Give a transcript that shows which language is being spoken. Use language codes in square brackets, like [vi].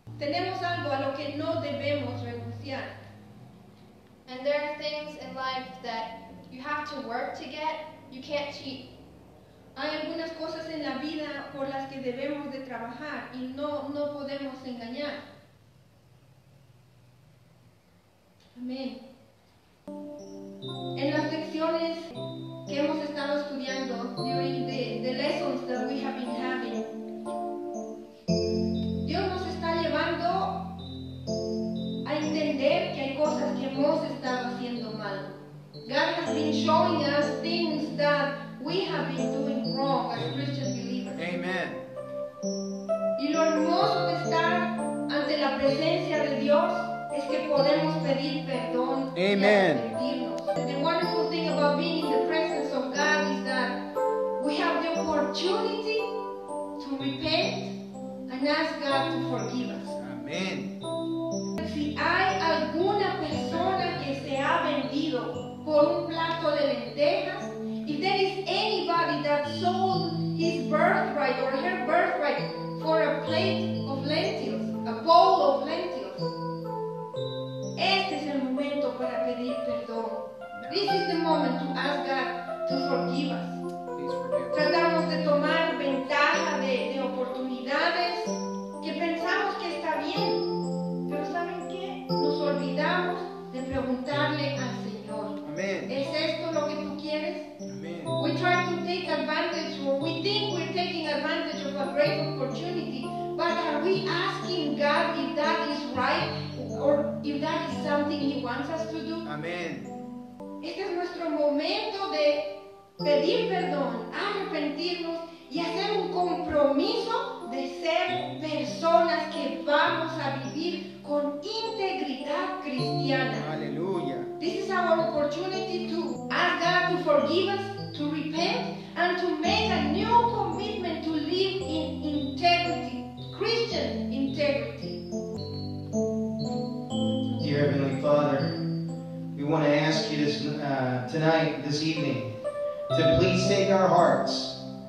[es] Tenemos algo a lo que no debemos renunciar. [en] And there are things in life that you have to work to get. You can't cheat. [es] Hay algunas cosas en la vida por las que debemos de trabajar y no podemos engañar. Amén. En las lecciones que hemos estado estudiando, [en] during the lessons that we have been having, [es] Dios nos está llevando a entender que hay cosas que hemos estado haciendo mal. [en] God has been showing us things that we have been doing wrong as Christian believers. Amen. [es] Y lo hermoso de estar ante la presencia de Dios es que podemos pedir perdón. Amen. [en] The wonderful thing about being in the presence of God is that we have the opportunity to repent and ask God to forgive us. Amen. [es] Si hay alguna persona que se ha vendido por un plato de lentejas, [en] if there is anybody that sold his birthright or her birthright for a plate of lentils, [es] a bowl of lentils, este es el momento para pedir perdón. [en] This is the moment to ask God to forgive us. [es] Tratamos de tomar ventaja de oportunidades que pensamos que está bien, pero ¿saben qué? Nos olvidamos de preguntarle al Señor. Amen. ¿Es esto lo que tú quieres? Amen. [en] We try to take advantage, or we think we're taking advantage of a great opportunity, but are we asking God if that is right, or if that is something He wants us to do? Amen. [es] Este es nuestro momento de pedir perdón, arrepentirnos y hacer un compromiso de ser personas que vamos a vivir con integridad cristiana. Aleluya. [en] This is our opportunity to ask God to forgive us, to repent, and to make a new commitment to live in integrity, Christian integrity. Dear Heavenly Father, we want to ask you this tonight, this evening, to please take our hearts.